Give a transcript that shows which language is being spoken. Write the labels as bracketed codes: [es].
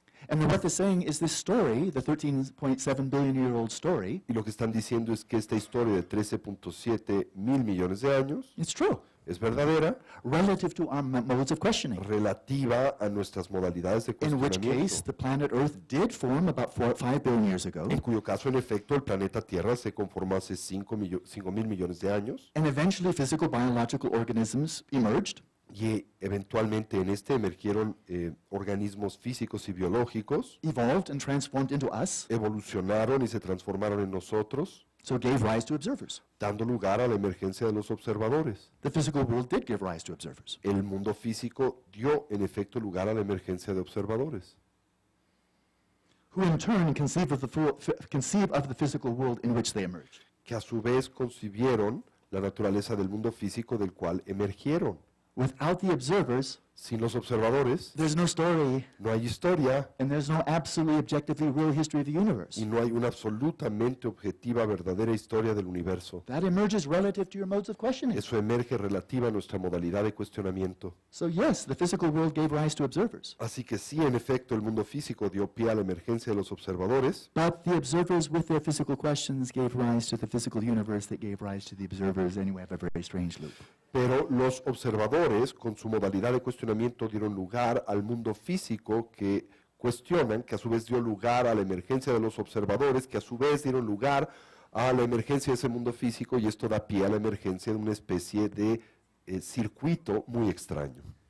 [en] And what they're saying is this story, the 13.7 billion-year-old story. [es] Y lo que están diciendo es que esta historia de 13.7 mil millones de años. [en] It's true. [es] Es verdadera. [en] Relative to our modes of questioning. [es] Relativa a nuestras modalidades de cuestionamiento. [en] In which case, the planet Earth did form about 5 billion years ago. [es] En cuyo caso, en efecto, el planeta Tierra se conformó hace 5 mil millones de años. [en] And eventually, physical biological organisms emerged. [es] Y eventualmente en este emergieron organismos físicos y biológicos. [en] Evolved and transformed into us. [es] Evolucionaron y se transformaron en nosotros. [en] So gave rise to observers. [es] Dando lugar a la emergencia de los observadores. [en] The physical world did give rise to observers. [es] El mundo físico dio en efecto lugar a la emergencia de observadores. [en] Who in turn conceive of the physical world in which they emerged. [es] Que a su vez concibieron la naturaleza del mundo físico del cual emergieron. [en] Without the observers, [es] sin los observadores, [en] there's no story, [es] no hay historia, [en] and there's no absolutely objectively real history of the universe. [es] Y no hay una absolutamente objetiva verdadera historia del universo. [en] That emerges relative to your modes of questioning. [es] Eso emerge relativa a nuestra modalidad de cuestionamiento. [en] So yes, the physical world gave rise to observers. [es] Así que sí, en efecto, el mundo físico dio pie a la emergencia de los observadores. [en] But the observers, with their physical questions, gave rise to the physical universe that gave rise to the observers. Anyway, have a very strange loop. [es] Pero los observadores, con su modalidad de cuestionamiento, dieron lugar al mundo físico que cuestionan, que a su vez dio lugar a la emergencia de los observadores, que a su vez dieron lugar a la emergencia de ese mundo físico, y esto da pie a la emergencia de una especie de circuito muy extraño.